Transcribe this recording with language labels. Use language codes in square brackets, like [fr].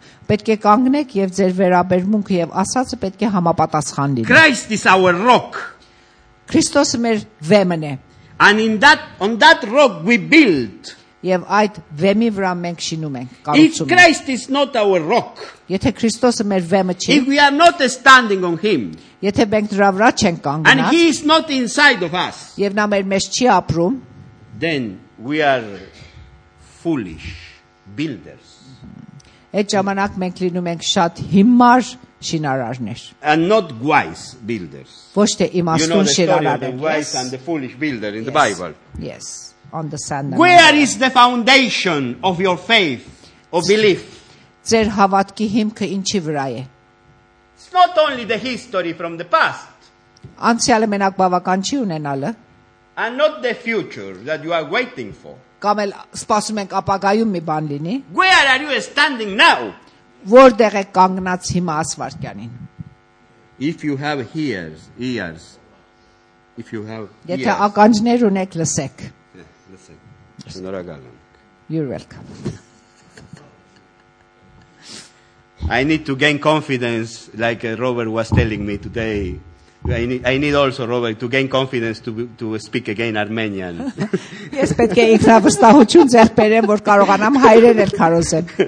[hy] Պետք է կանգնեք եւ ձեր վերաբերմունքը եւ ասածը պետք է համապատասխան լինի։ [en] Christ is our rock. [hy] Քրիստոսը մեր վեմն է։ [en] And on that rock we build. [hy] Եվ այդ վեմի վրա մենք շինում ենք կառուցում։ [en] If Christ is not our rock. [hy] Եթե Քրիստոսը մեր վեմը չի։ [en] If we are not standing on him. [hy] Եթե մենք դրա վրա չենք կանգնած։ [en] And he is not inside of us. [hy] Եվ նա մեր մեջ չի ապրում։ [en] Then we are foolish builders. [hy] Այդ ժամանակ մենք լինում ենք շատ հիմար շինարարներ. [en] And not wise builders. [hy] Ոչ թե իմաստուն շինարարներ. [en] You know the story of the wise and the foolish builder in the Bible. Yes. On the sand. Where is the foundation of your faith or belief? [hy] Ձեր հավատքի հիմքը ինչի վրա է? [en] It's not only the history from the past. [hy] Անցյալը մենակ բավական չի ունենալը. [en] And not the future that you are waiting for. [hy] Կամ էլ սպասում ենք ապագայում մի բան լինի. [en] Where are you standing now? [hy] Որտեղ եք կանգնած հիմա ասվարկյանին? [en] If you have ears, ears. If you have ears. [hy] Եթե ականջներ ունեք, լսեք. [en] Listen. [hy] Շնորհակալ եմ. [en] You're welcome. I need to gain confidence like Robert was telling me today. I need also Robert to gain confidence to speak again Armenian. [hy] Ես պետք է ինքնավստահություն ձեռբերեմ, որ կարողանամ հայերեն էլ քարոզեմ.